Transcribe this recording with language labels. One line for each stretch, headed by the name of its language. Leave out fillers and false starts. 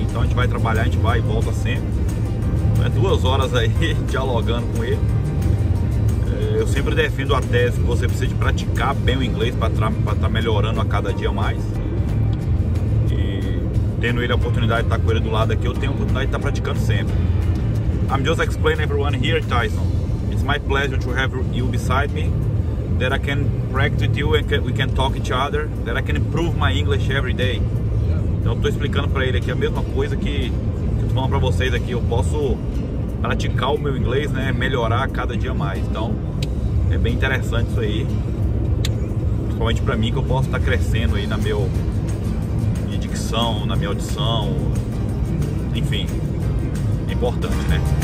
Portuguese: Então a gente vai trabalhar, a gente vai e volta sempre. É 2 horas aí, dialogando com ele. Eu sempre defendo a tese que você precisa de praticar bem o inglês para estar tá melhorando a cada dia mais. E tendo ele a oportunidade de estar tá com ele do lado aqui, eu tenho a oportunidade de estar tá praticando sempre.
English: I'm just explaining everyone here, Tyson. It's my pleasure to have you beside me. That I can practice with you and we can talk each other. That I can improve my English every day.
Portuguese: Então eu estou explicando para ele aqui a mesma coisa que eu estou falando para vocês aqui. Eu posso praticar o meu inglês, né, melhorar cada dia mais. Então é bem interessante isso aí, principalmente para mim, que eu posso estar crescendo aí na minha dicção, na minha audição, enfim, é importante, né?